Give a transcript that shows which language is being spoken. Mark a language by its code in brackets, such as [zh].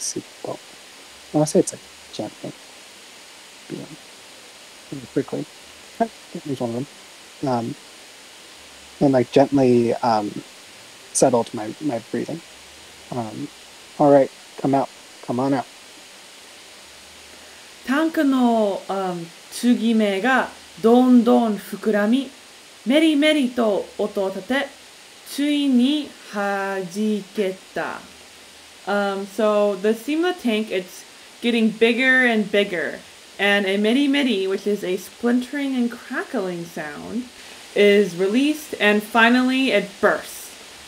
[en] See, well, I want to say it's like gently, quickly. There's one of them, and like gently settled my breathing. All right, come out, come on out. [ja] タンクの、継ぎ目がどんどん膨らみ、メリメリと音を立て、ついに弾けた。 [en] So the steamlet tank, it's getting bigger and bigger, and a meri meri, which is a splintering and crackling sound, is released, and finally it bursts.